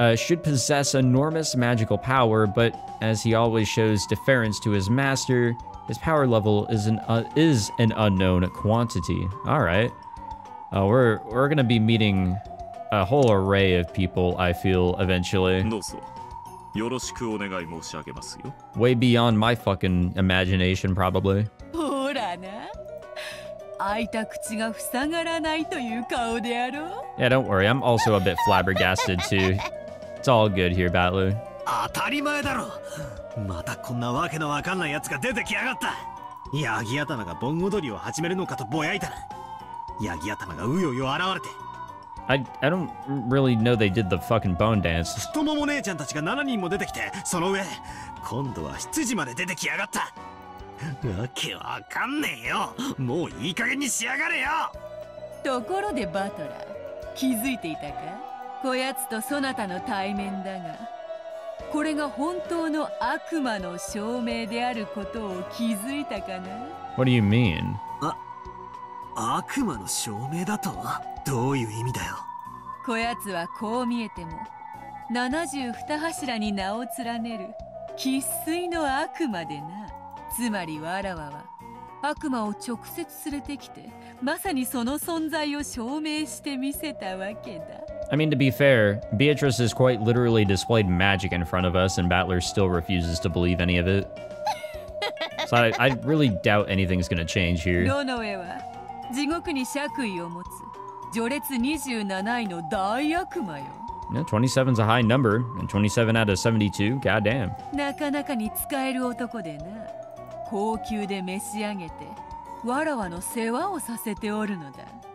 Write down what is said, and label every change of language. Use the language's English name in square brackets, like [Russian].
[English] Should possess enormous magical power, but as he always shows deference to his master, his power level is an unknown quantity. All right. We're going to be meeting a whole array of people, I feel, eventually. [Japanese] よろしくお願い申し上げますよ。 [English] Way beyond my fucking imagination, probably. [Japanese] ほらな。開いた口が塞がらないという顔であろう。 [English] Yeah, don't worry. I'm also a bit flabbergasted, too. It's all good here, Batlu. [Japanese] 当たり前だろ。またこんなわけのわかんないやつが出てきやがった。ヤギ頭が盆踊りを始めるのかとぼやいたら、ヤギ頭がうよよ現れて。 [English] I don't really know they did the fucking bone dance. [Japanese] 太もも姉ちゃんたちが7人も出てきて、その上、今度は羊まで出てきやがった。わけわかんねえよ。もういい加減にしやがれよ。ところでバトラー、気づいていたか？こやつとそなたの対面だが、これが本当の悪魔の証明であることを気づいたかな？ [English] What do you mean? [Japanese] 悪魔の証明だと？どういう意味だよ。こやつはこう見えても72柱に名を連ねる生粋の悪魔でな。つまりわらわは悪魔を直接連れてきて、まさにその存在を証明してみせたわけだ。 [English] I mean, to be fair, Beatrice has quite literally displayed magic in front of us, and Battler still refuses to believe any of it. So I really doubt anything's gonna change here. [Japanese] ロノエは地獄に爵位を持つ序列27位の大悪魔よ。 [English] 27's a high number, and 27 out of 72, goddamn. [Japanese] なかなかに使える男でな。高級で召し上げて、わらわの世話をさせておるのだ。